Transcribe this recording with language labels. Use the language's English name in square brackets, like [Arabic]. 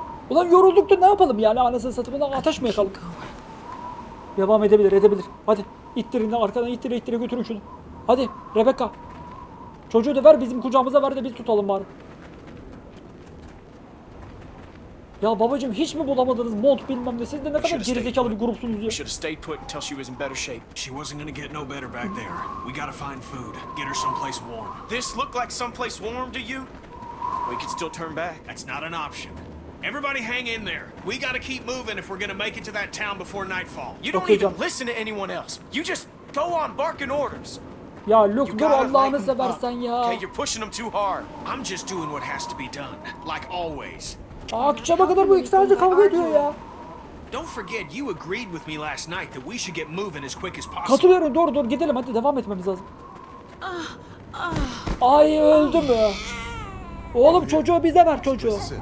[Turkish] Ulan yorulduk da ne yapalım yani anasını satımına ateş mi yakalım? Devam edebilir edebilir. Hadi ittirin de arkadan ittire ittire götürün şunu. Hadi Rebecca. Çocuğu da ver bizim kucağımıza ver de biz tutalım bari. Ya babacığım hiç mi bulamadınız mont bilmem ne siz de ne kadar gerizekalı bir grupsunuz ya. [English] Should've stayed put until she was in better shape. She wasn't gonna get no better back there. We gotta find food. Get her someplace warm. This look like someplace warm to you? We can still turn back. That's not an option. Everybody hang in there. We gotta keep moving if we're gonna make it to that town before nightfall. You don't even listen to anyone else. You just go on barking orders. [Turkish] Ya Luke dur Allah'ını seversen ya. [English] Okay, you're pushing them too hard. I'm just doing what has to be done. Like always. [Turkish] Akşama kadar bu iki sadece kavga ediyor ya. [English] Don't forget you agreed with me last night that we should get moving as quick as possible. [Turkish] Katılıyorum. Doğru doğru gidelim hadi devam etmemiz lazım. Ay öldü mü? Oğlum çocuğu bize ver çocuğu.